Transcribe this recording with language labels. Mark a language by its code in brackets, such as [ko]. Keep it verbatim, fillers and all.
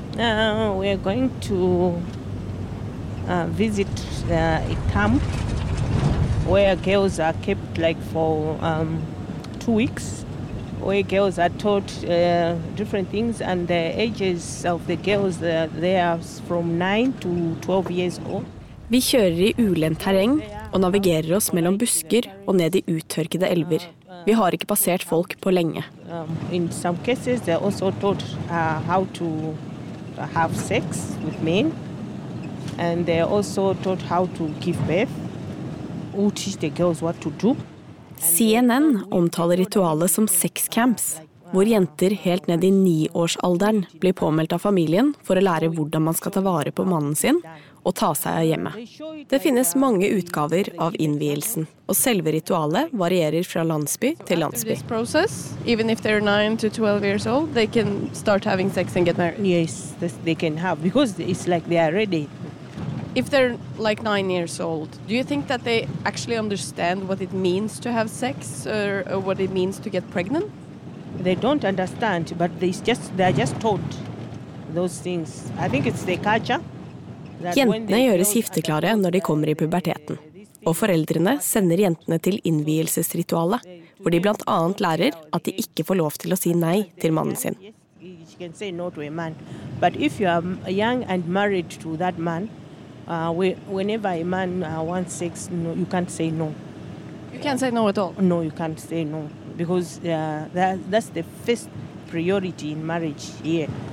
[en] Uh, we're going to uh, visit uh, a camp where girls are kept like for um, two weeks, where girls are taught uh, different things, and the ages of the girls, uh, they are from nine to twelve years old. [no] Vi kjører i ulendt terreng og navigerer oss mellom busker og ned i uttørkede elver. Vi har ikke passert folk på lenge. [en] In some cases they also taught uh, how to have sex with men, and they also taught how to give birth. Who teach the girls what to do. [no] C N N omtaler ritualet som sex camps, hvor jenter helt ned i niårsalderen blir påmeldt av familien for å lære hvordan man skal ta vare på mannen sin og ta seg av hjemmet. Det finnes mange utgaver av innvielsen, og selve ritualet varierer fra landsby til landsby. [en] After this process, even if they're nine to twelve years old, they can start having sex and get married. Yes, they can have, because it's like they are ready. If they're like nine years old, do you think that they actually understand what it means to have sex, or, or what it means to get pregnant? They don't understand, but they just they are just taught those things. I think it's the culture. [no] Jentene gjøres gifteklare når de kommer i puberteten, og foreldrene sender jentene til innvielsesritualet, hvor de blant annet lærer at de ikke får lov til å si nei til mannen sin. [en] You can say no to a man, but if you are young and married to that man, uh, whenever a man uh, wants sex, no, you can't say no. You can't say no at all? No, you can't say no, because uh, that, that's the first priority in marriage here.